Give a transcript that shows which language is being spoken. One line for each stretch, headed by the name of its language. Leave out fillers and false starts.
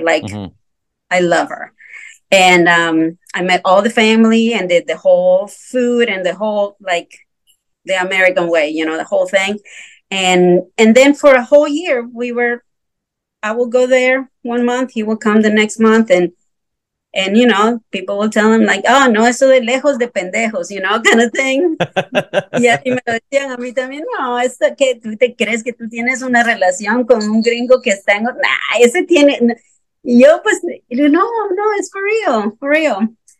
English: Like, I love her. And I met all the family and did the whole food and the whole, like, the American way, you know, the whole thing. And then for a whole year, I will go there 1 month. He will come the next month. And you know, people will tell him like, oh, no,
Spanish: eso de lejos de pendejos,
English: you know, kind of thing.
Spanish: Yeah, y me lo decían a mí también, no, esto que tú te crees que tú tienes una relación con un gringo que está en... Nah, ese tiene... Y yo pues, no, no,
English: it's for real, for real.